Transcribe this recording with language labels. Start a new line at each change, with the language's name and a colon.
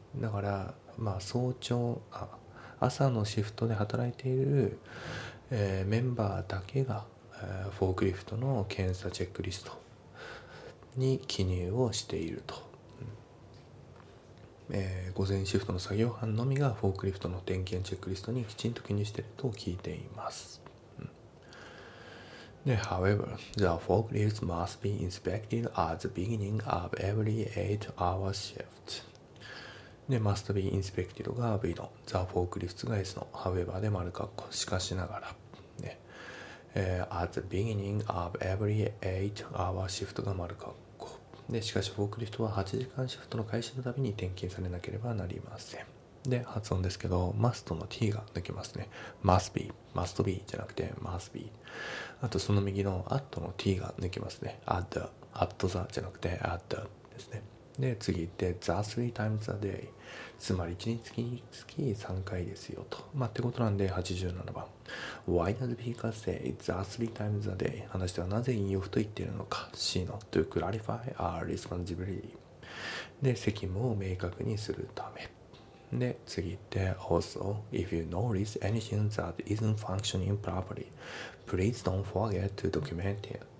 Japanese: だから、まあ、早朝、朝のシフトで働いている、メンバーだけが、フォークリフトの検査チェックリストに記入をしていると。午前シフトの作業班のみがフォークリフトの点検チェックリストにきちんと記入していると聞いています。
English: で、However, the forklift must be inspected at the beginning of every 8-hour shift.
Japanese: で、
English: must be inspected
Japanese: が V の、
English: the forklift
Japanese: が S の、However で丸括弧、しかしながら。ね、
English: at the beginning of every 8-hour shift
Japanese: が丸括弧。で、しかしフォークリフトは8時間シフトの開始のたびに点検されなければなりません。で、発音ですけど、must の t が抜けますね。
English: must be, must be
Japanese: じゃなくて must be。あとその右の at の t が抜けますね。
English: at the, at the
Japanese: じゃなくて at the ですね。で、次行って
English: the three times a day。
Japanese: つまり1日につき3回ですよと。まあ、ってことなんで87番。
English: Why does Pika say the three times a day?
Japanese: 話してはなぜ引用不と言っているのか。
English: C の to clarify our responsibility。
Japanese: で、責務を明確にするため。
English: で、次行って、Also, if you notice anything that isn't functioning properly, please don't forget to document it.